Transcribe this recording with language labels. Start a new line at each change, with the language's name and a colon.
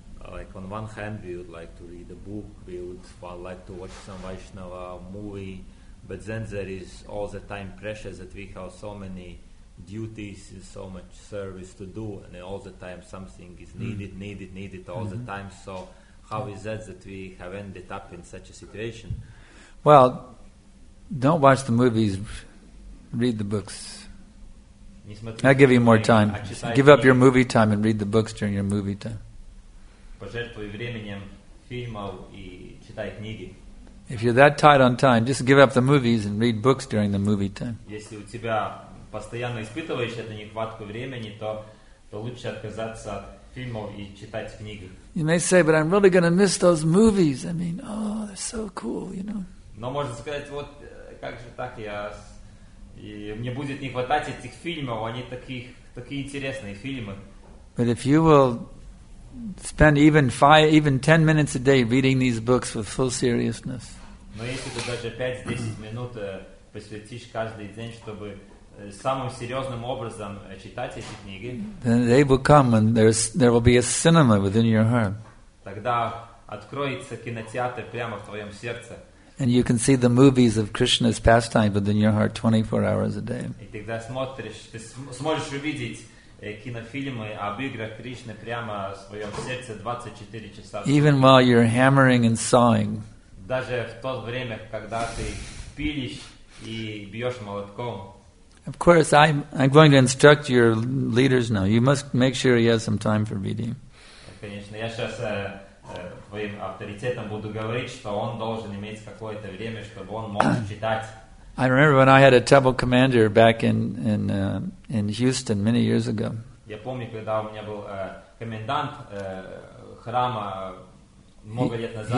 English: Like on one hand, we would like to read a book, we would like to watch some Vaishnava movie, but then there is all the time pressure that we have so many duties, so much service to do, and all the time something is needed all the time. So how is that we have ended up in such a situation? Well, don't watch the movies, read the books. I'll give you more time. Give up your movie time and read the books during your movie time.
Russian: Пожертвуй временем фильмов и читай книги.
English: If you're that tight on time, just give up the movies and read books during the movie time.
Russian: Если у тебя постоянно испытываешь эту нехватку времени, то лучше отказаться от фильмов и читать книги.
English: You may say, but I'm really going to miss those movies. I mean, oh, they're so cool, you know.
Russian: Но можно сказать, вот как же так я... И мне будет не хватать этих фильмов, они такие интересные фильмы.
English: But if you will spend even 5, even 10 minutes a day reading these books with full seriousness.
Russian: Но если ты даже 5-10 минут посвятишь каждый день, чтобы самым серьезным образом читать эти книги,
English: then they will come and there will be a cinema within your heart.
Russian: Тогда откроется кинотеатр прямо в твоем сердце.
English: And you can see the movies of Krishna's pastime within your heart 24 hours a day.
Russian: И тогда смотришь, ты сможешь увидеть кинофильмы об играх Кришны прямо в своем сердце 24 часа.
English: Even while you're hammering and sawing.
Russian: Даже в то время, когда ты пилишь и бьешь молотком.
English: Of course, I'm going to instruct your leaders now. You must make sure you have some time for BD.
Russian: Конечно, я сейчас твоим авторитетом буду говорить, что он должен иметь какое-то время, чтобы он мог читать.
English: I remember when I had a temple commander back in Houston many years ago.
Russian: Я помню, когда у меня был комендант храма много лет назад.